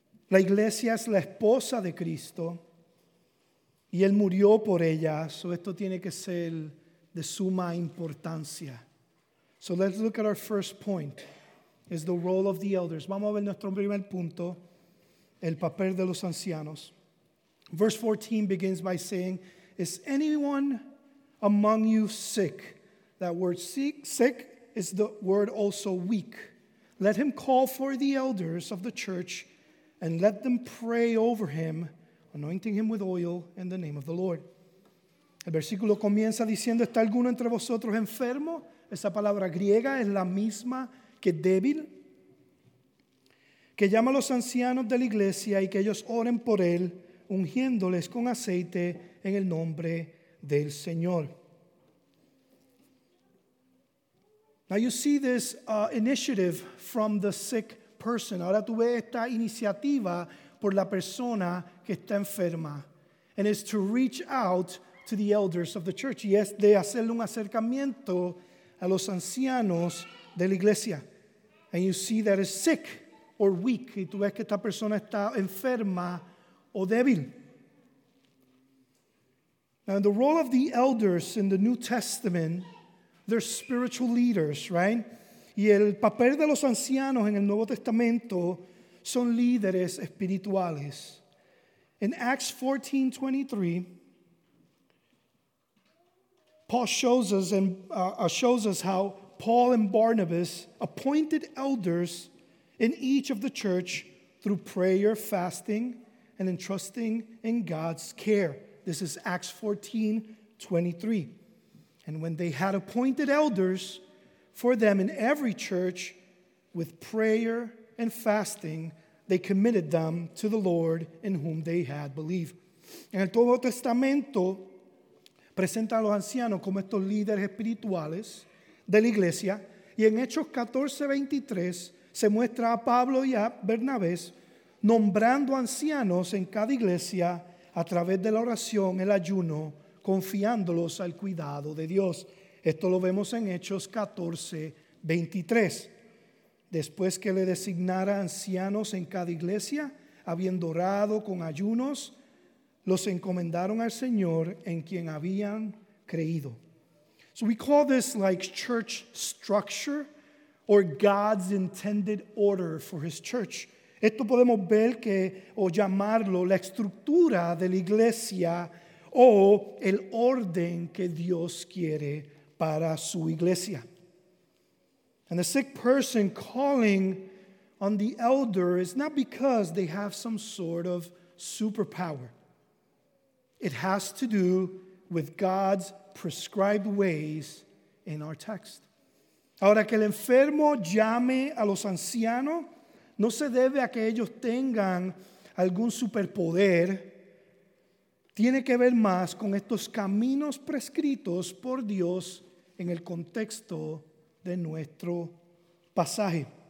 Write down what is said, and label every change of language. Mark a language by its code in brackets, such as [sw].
[es] La iglesia es la esposa de Cristo y él murió por ella. So esto tiene que ser de suma importancia. [en] So let's look at our first point. Is the role of the elders. [es] Vamos a ver nuestro primer punto, el papel de los ancianos. [en] Verse 14 begins by saying, is anyone among you sick? That word sick is the word also weak. Let him call for the elders of the church and let them pray over him, anointing him with oil in the name of the Lord. [es] El versículo comienza diciendo, ¿está alguno entre vosotros enfermo? Esa palabra griega es la misma que débil, que llama a los ancianos de la iglesia y que ellos oren por él, ungiéndoles con aceite en el nombre del Señor. [en] Now you see this initiative from the sick person. [es] Ahora tú ves esta iniciativa por la persona que está enferma. [en] And it's to reach out to the elders of the church. [es] Y es de hacerle un acercamiento a los ancianos de la iglesia. [en] And you see that it's sick or weak. [es] Y tú ves que esta persona está enferma o débil. [en] Now, the role of the elders in the New Testament, they're spiritual leaders, right? [es] Y el papel de los ancianos en el Nuevo Testamento son líderes espirituales. [en] In Acts 14:23, Paul shows us how Paul and Barnabas appointed elders in each of the church through prayer, fasting, and entrusting in God's care. This is Acts 14:23. And when they had appointed elders for them in every church with prayer and fasting, they committed them to the Lord in whom they had believed. [es] En el Nuevo Testamento presenta a los ancianos como estos líderes espirituales de la iglesia, y en Hechos 14:23 se muestra a Pablo y a Bernabés nombrando ancianos en cada iglesia a través de la oración, el ayuno, confiándolos al cuidado de Dios. Esto lo vemos en Hechos 14:23. Después que le designara ancianos en cada iglesia, habiendo orado con ayunos, los encomendaron al Señor en quien habían creído. [en] So we call this like church structure or God's intended order for his church. [es] Esto podemos ver que, o llamarlo, la estructura de la iglesia o el orden que Dios quiere para su iglesia. [en] And the sick person calling on the elder is not because they have some sort of superpower. It has to do with God's prescribed ways in our text. [es] Ahora que el enfermo llame a los ancianos, no se debe a que ellos tengan algún superpoder. Tiene que ver más con estos caminos prescritos por Dios en el contexto de nuestro pasaje.